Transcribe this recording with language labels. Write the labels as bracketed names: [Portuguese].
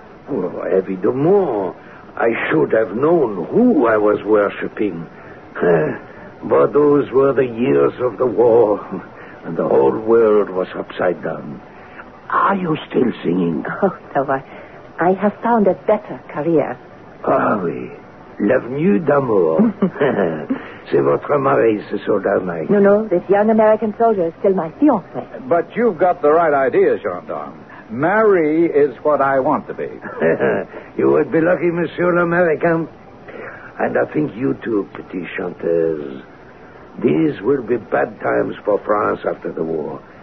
[English] Oh, evidemment, I should have known who I was worshipping. But those were the years of the war, and the whole world was upside down. Are you still singing? Oh, no, I have found a better career. [French] Ah, oui. L'avenue d'amour. C'est votre mari, ce soldat, mec. [English] No, this young American soldier is still my fiancé. But you've got the right idea, gendarme. Marry is what I want to be. You would be lucky, monsieur l'American. And I think you too, [French] petite chanteuse. [English] These will be bad times for France after the war.